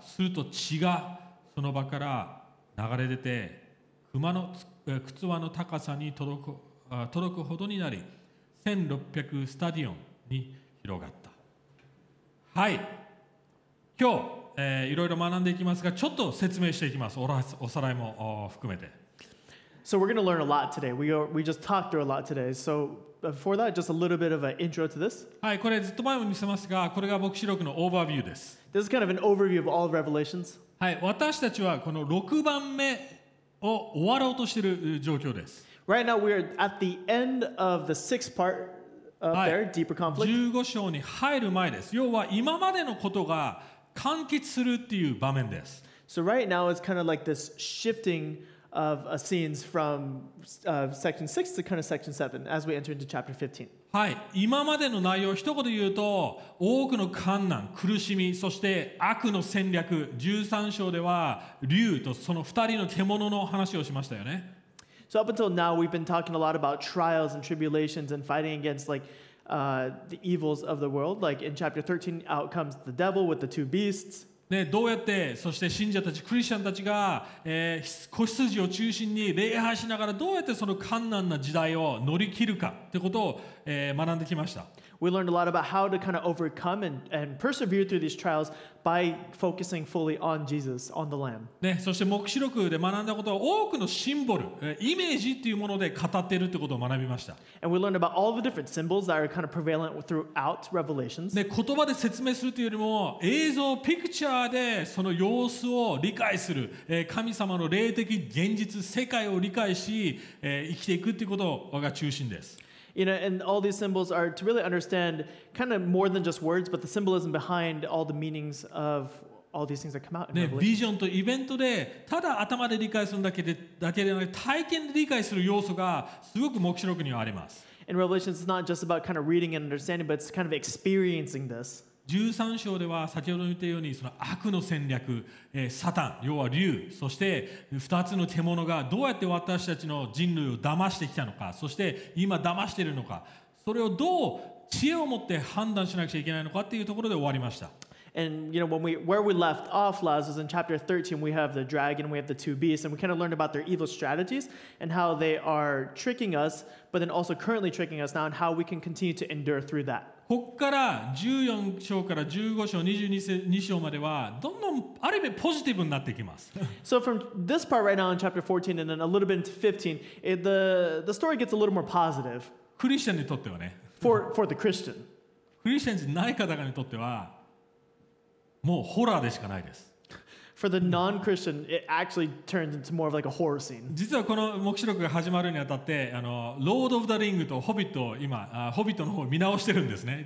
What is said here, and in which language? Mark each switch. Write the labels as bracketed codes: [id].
[ja] すると血がその場から流れ出て、熊の靴輪の高さに届くほどになり、1600スタディオンに広がった。はい。今日、いろいろ学んでいきますが、ちょっと説明していきます。おさらいも含めて。 [en] So we're going to learn a lot today. We just talked through a lot today. So before that, just a little bit of an intro to this. [ja] はい、これずっと前も見せますが、これが黙示録のオーバービューです。 [en] This is kind of an overview of all of Revelations. [ja] はい、私たちはこの6番目を終わろうとしている状況です。 [en] Right now, we are at the end of the sixth part up there, deeper conflict. [ja] 15章に入る前です。要は今までのことが完結するっていう場面です。 [en] So right now, it's kind of like this shifting of scenes from section 6 to kind of section 7 as we enter into chapter 15. [ja] はい。今までの内容を一言言うと、多くの困難、苦しみ、そして悪の戦略、13章では竜とその2人の獣の話をしましたよね。 [en] So up until now, we've been talking a lot about trials and tribulations and fighting against like, the evils of the world. Like in chapter 13, out comes the devil with the two beasts. [ja] ね、どうやって、そして信者たち、クリスチャンたちが、子羊を中心に礼拝しながらどうやってその困難な時代を乗り切るかってことを、学んできました。 [en] We learned a lot about how to kind of overcome and persevere through these trials by focusing fully on Jesus, on the Lamb. [ja] ね、そして黙示録で学んだことは多くのシンボル、イメージっていうもので語っているってことを学びました。 [en] And we learned about all the different symbols that are kind of prevalent throughout Revelations. [ja] ね、言葉で説明するというよりも映像、ピクチャーでその様子を理解する、神様の霊的現実、世界を理解し、生きていくっていうことが中心です。 [en] You know, and all these symbols are to really understand kind of more than just words, but the symbolism behind all the meanings of all these things that come out in Revelation. [ja] ね、ビジョンとイベントでただ頭で理解するだけでなく体験で理解する要素がすごく黙示録にはあります。 [en] In Revelation, it's not just about kind of reading and understanding, but it's kind of experiencing this. [ja] 13章では先ほど言ったようにその悪の戦略、サタン、要は竜、そして2つの獣がどうやって私たちの人類を騙してきたのか、そして今騙しているのか、それをどう知恵を持って判断しなくちゃいけないのかっていうところで終わりました。 [en] And you know, where we left off last was in chapter 13, we have the dragon, we have the two beasts, and we kind of learned about their evil strategies and how they are tricking us, but then also currently tricking us now, and how we can continue to endure through that. [ja] ここから14章から15章、22章まではどんどんある意味ポジティブになっていきます。 [en] So from this part right now in chapter 14 and then a little bit into 15, the story gets a little more positive. [ja] クリスチャンにとってはね。 [en] For the Christian. [ja] クリスチャンじゃない方にとってはもうホラーでしかないです。 [en] For the non-Christian, it actually turns into more of like a horror scene. [ja] 実はこの黙示録が始まるにあたって、ロード・オブ・ザ・リングとホビットを今、ホビットの方を見直してるんですね。